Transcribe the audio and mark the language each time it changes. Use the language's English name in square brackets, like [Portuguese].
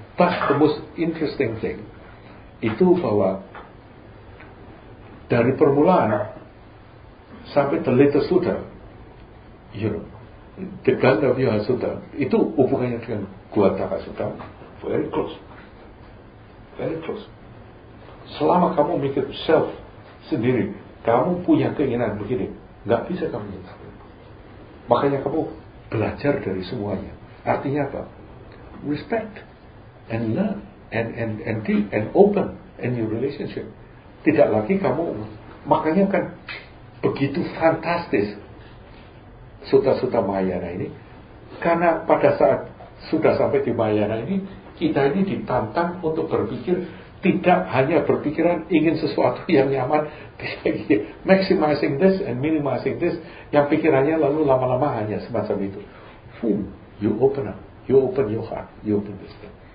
[English] But the most interesting thing [Indonesian] itu bahwa dari permulaan sampai [English] the latest Suda, you know, the Gandhavya Suda, [Indonesian] itu hubungannya dengan [English] Guataka Suda very close, very close. [Indonesian] Selama kamu mikir self sendiri, kamu punya keinginan begini, nggak bisa kamu mencapai. Makanya kamu belajar dari semuanya. Artinya apa? [English] Respect and learn and open in your relationship. [Indonesian] Tidak lagi kamu, makanya kan begitu fantastis sutra-sutra Mahayana ini, karena pada saat sudah sampai di Mahayana ini, kita ini ditantang untuk berpikir tidak hanya berpikiran ingin sesuatu yang nyaman, [English] maximizing this and minimizing this, [Indonesian] yang pikirannya lalu lama-lama hanya semacam itu. [English] Boom, you open up, you open your heart, you open this thing.